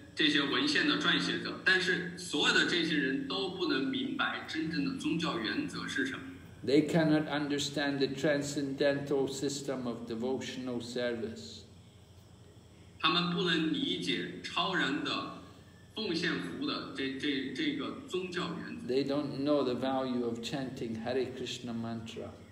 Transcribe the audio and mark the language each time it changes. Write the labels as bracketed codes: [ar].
[zh] 还有其他的一些这些文献的撰写者, 但是所有的这些人都不能明白真正的宗教原则是什么。 [en] They cannot understand the transcendental system of devotional service. [zh] 他们不能理解超然的奉献服务的这个宗教原则。 [en] They don't know the value of chanting Hare Krishna mantra.